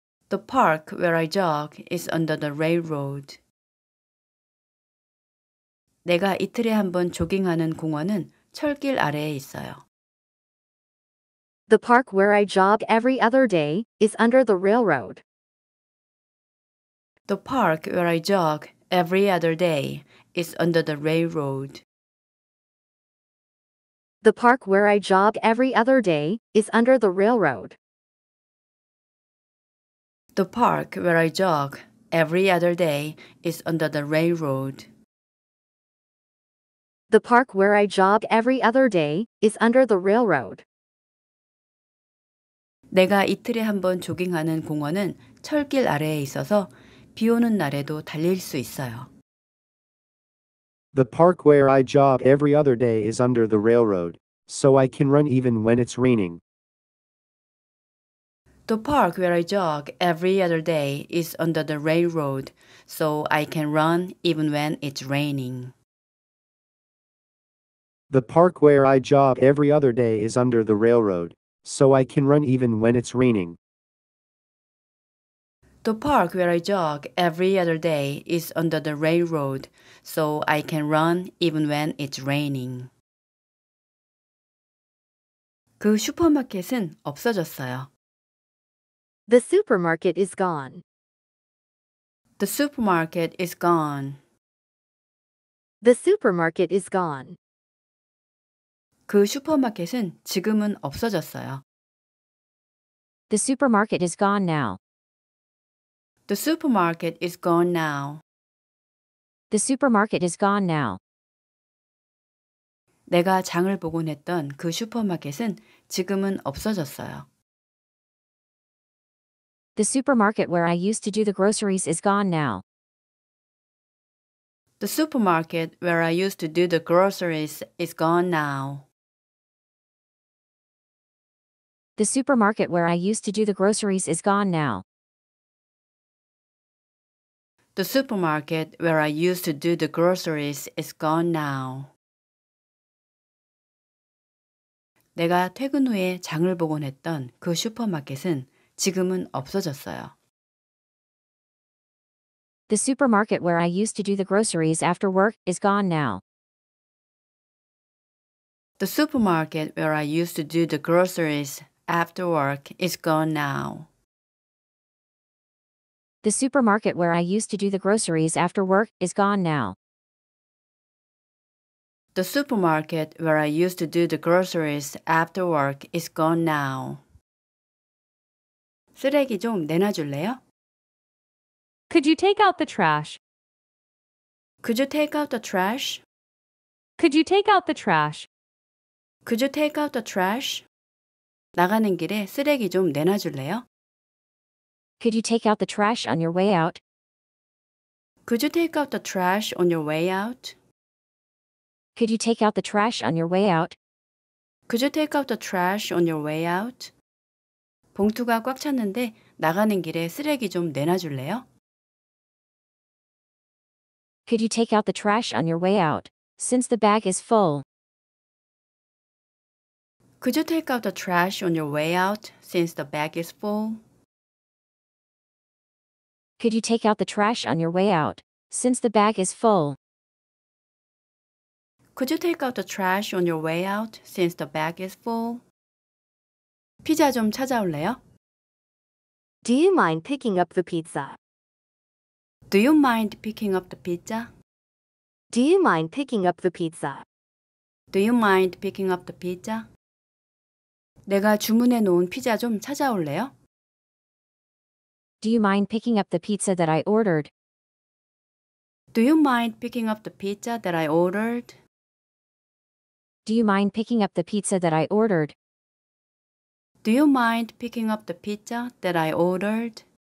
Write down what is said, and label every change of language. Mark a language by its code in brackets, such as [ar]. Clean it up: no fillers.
[en] The park where I jog is under the railroad. [ko] 내가 이틀에 한 번 조깅하는 공원은 철길 아래에 있어요. [en] The park where I jog every other day is under the railroad. The park where I jog every other day is under the railroad. The park where I jog every other day is under the railroad. The park where I jog every other day is under the railroad. The park where I jog every other day is under the railroad. [ko] 내가 이틀에 한 번 조깅하는 공원은 철길 아래에 있어서 비 오는 날에도 달릴 수 있어요. [en] The park where I jog every other day is under the railroad, so I can run even when it's raining. The park where I jog every other day is under the railroad, so I can run even when it's raining. The park where I jog every other day is under the railroad, so I can run even when it's raining. The park where I jog every other day is under the railroad, so I can run even when it's raining. [ko] 그 슈퍼마켓은 없어졌어요. [en] The supermarket is gone. The supermarket is gone. The supermarket is gone. [ko] 그 슈퍼마켓은 지금은 없어졌어요. [en] The supermarket is gone now. The supermarket is gone now. The supermarket is gone now. [ko] 내가 장을 보곤 했던 그 슈퍼마켓은 지금은 없어졌어요. [en] The supermarket where I used to do the groceries is gone now. The supermarket where I used to do the groceries is gone now. The supermarket where I used to do the groceries is gone now. The supermarket where I used to do the groceries is gone now. [ko] 내가 퇴근 후에 장을 보곤 했던 그 슈퍼마켓은 지금은 없어졌어요. [en] The supermarket where I used to do the groceries after work is gone now. The supermarket where I used to do the groceries after work is gone now. The supermarket where I used to do the groceries after work is gone now. The supermarket where I used to do the groceries after work is gone now. [ko] 쓰레기 좀 내놔 줄래요? [en] Could you take out the trash? Could you take out the trash? Could you take out the trash? Could you take out the trash? [ko] 나가는 길에 쓰레기 좀 내놔 줄래요? [en] Could you take out the trash on your way out? Could you take out the trash on your way out? Could you take out the trash on your way out? Could you take out the trash on your way out? [ko] 봉투가 꽉 찼는데 나가는 길에 쓰레기 좀 내놔 줄래요? [en] Could you take out the trash on your way out, since the bag is full? Could you take out the trash on your way out, since the bag is full? Could you take out the trash on your way out, since the bag is full? Could you take out the trash on your way out, since the bag is full? [ko] 피자 좀 찾아올래요? [en] Do you mind picking up the pizza? Do you mind picking up the pizza? Do you mind picking up the pizza? Do you mind picking up the pizza? [ko] 내가 주문해 놓은 피자 좀 찾아올래요? [en] Do you mind picking up the pizza that I ordered? Do you mind picking up the pizza that I ordered? Do you mind picking up the pizza that I ordered? Do you mind picking up the pizza that I ordered?